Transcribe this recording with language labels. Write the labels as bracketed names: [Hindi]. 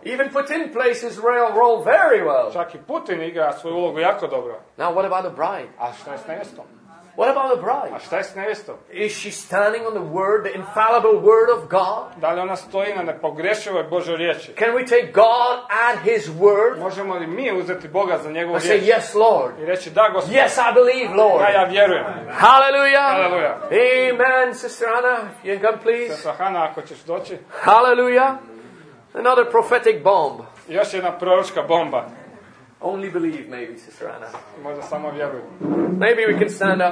[English] Even Putin plays his role very well. [Bosnian] Čak i Putin igra svoju ulogu jako dobro. [English] Now what about the bride? [Bosnian] A šta je s nevjestom? [English] What about the bride? [Bosnian] A šta je s nevjestom? [English] Is she standing on the word, the infallible word of God? [Bosnian] Da li ona stoji na nepogrešivoj Božoj riječi? [English] Can we take God at his word? [Bosnian] Možemo li mi uzeti Boga za njegovu riječ? [English] Say yes, Lord. [Bosnian] I reći da, Gospode. [English] Yes, I believe, Lord. [Bosnian] Da, ja vjerujem. Hallelujah. Hallelujah. [English] Amen, Sister Anna, you come please. [Bosnian] Sestra Hana, ako ćeš doći. [English] Hallelujah. Another prophetic bomb. [Bosnian] Još jedna proročka bomba. [English] Only believe, maybe, Sister Anna. [Bosnian] Možda samo vjeruj. [English] Maybe we can stand up.